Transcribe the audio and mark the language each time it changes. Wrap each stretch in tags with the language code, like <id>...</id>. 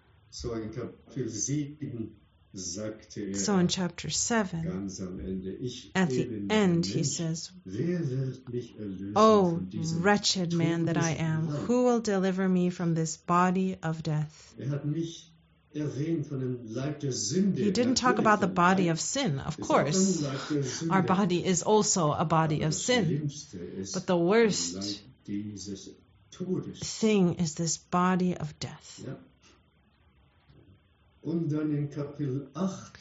<de>So in Kapitel 7 sagte er,</de> <en>so in chapter 7,</en> <de>ganz am Ende, ich</de> <en>at the end,</en> <de>Mensch,</de> <en>he says,</en> <de>wer wird mich erlösen,</de> <en>oh, wretched man that I am, who will deliver me from this body of death?</en> <de>Er hat nicht erwähnt von dem Leib der Sünde.</de> <en>He didn't talk about the body of sin, of course. Our body is also a body of sin. But the worst thing is this body of death. Ja.</en> <de>Und dann in Kapitel 8,</de>